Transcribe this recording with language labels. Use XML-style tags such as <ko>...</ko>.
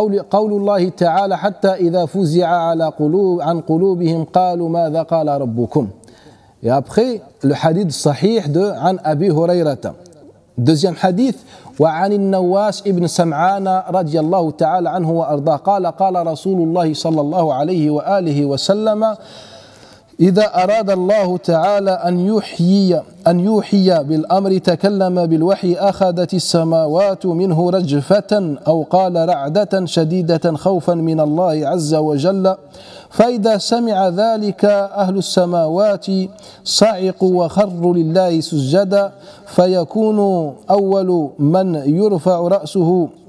<ar>قول الله تعالى حتى إذا فزع على قلوب عن قلوبهم قالوا ماذا قال ربكم.</ar> <fr>Et après le hadith sahih de</fr> <ar>عن أبي هريرة.</ar> <fr>Deuxième hadith.</fr> <ar>وعن النواس ابن سمعان رضي الله تعالى عنه وأرضاه قال قال رسول الله صلى الله عليه وآله وسلم إذا أراد الله تعالى أن يحيي بالأمر تكلم بالوحي أخذت السماوات منه رجفة أو قال رعدة شديدة خوفا من الله عز وجل فإذا سمع ذلك أهل السماوات صعقوا وخروا لله سجدا فيكون أول من يرفع رأسه</ar>